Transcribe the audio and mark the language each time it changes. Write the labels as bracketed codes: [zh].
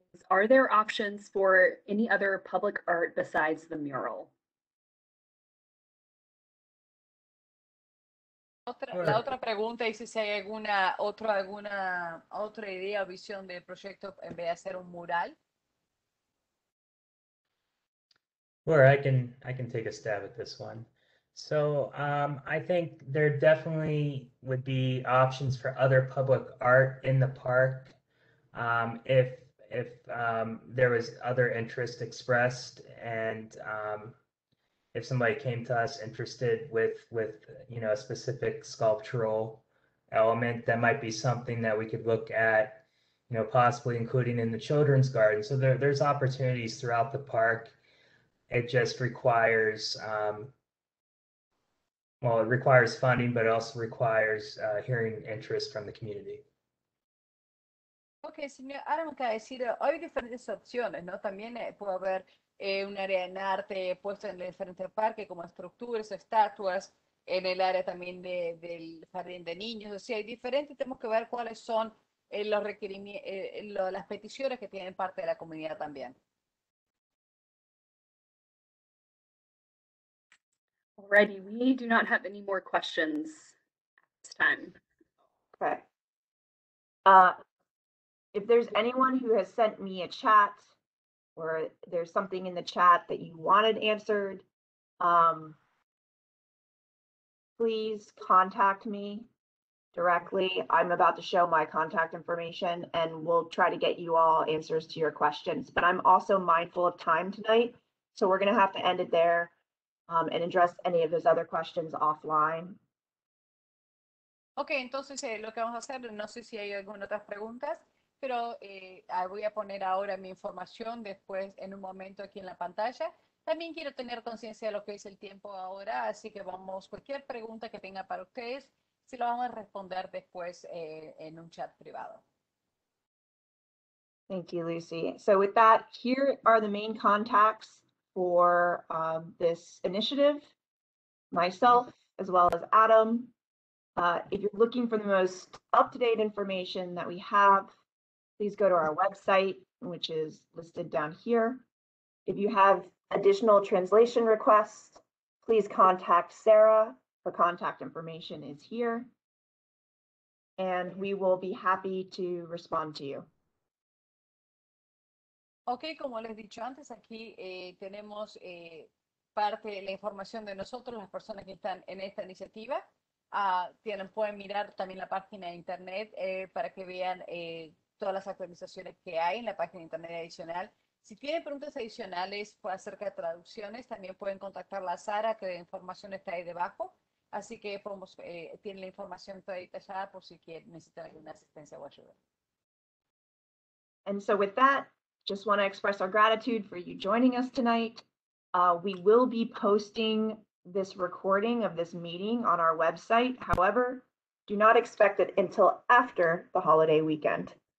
[en] Are there options for any other public art besides the mural? [es] La otra pregunta dice si hay alguna otra idea o visión del proyecto en vez de hacer un mural. [en] Well, I can take a stab at this one. So I think there definitely would be options for other public art in the park if there was other interest expressed and if somebody came to us interested with you know, a specific sculptural element, that might be something that we could look at, you know, possibly including in the children's garden. So there's opportunities throughout the park. It just requires, well, it requires funding, but it also requires hearing interest from the community. [es] Okay, señor, ahora me queda decir, hay diferentes opciones, ¿no? También puede haber un área en arte puesto en el frente del parque como estructuras, estatuas, en el área también del jardín de niños. O sea, hay diferentes, tenemos que ver cuáles son los requerimientos, las peticiones que tienen parte de la comunidad también. [en] Alrighty, we do not have any more questions this time. Okay. If there's anyone who has sent me a chat or there's something in the chat that you wanted answered, please contact me directly. I'm about to show my contact information and we'll try to get you all answers to your questions, but I'm also mindful of time tonight. So we're going to have to end it there and address any of those other questions offline. [es] Ok, entonces lo que vamos a hacer, no sé si hay alguna otra pregunta, pero voy a poner ahora mi información después en un momento aquí en la pantalla. También quiero tener conciencia de lo que es el tiempo ahora, así que vamos, cualquier pregunta que tenga para ustedes, se lo vamos a responder después en un chat privado. [en] Thank you, Lucy. So with that, here are the main contacts for this initiative, myself, as well as Adam. If you're looking for the most up-to-date information that we have, please go to our website, which is listed down here. If you have additional translation requests, please contact Sarah. Her contact information is here. And we will be happy to respond to you. [es] Okay, como les he dicho antes, aquí tenemos parte de la información de nosotros, las personas que están en esta iniciativa. Pueden mirar también la página de internet para que vean todas las actualizaciones que hay en la página de internet adicional. Si tienen preguntas adicionales acerca de traducciones, también pueden contactar a Sara, que la información está ahí debajo. Así que podemos, tienen la información toda detallada por si quieren, necesitan alguna asistencia o ayuda. [en] And so with that, just want to express our gratitude for you joining us tonight. We will be posting this recording of this meeting on our website. However, do not expect it until after the holiday weekend.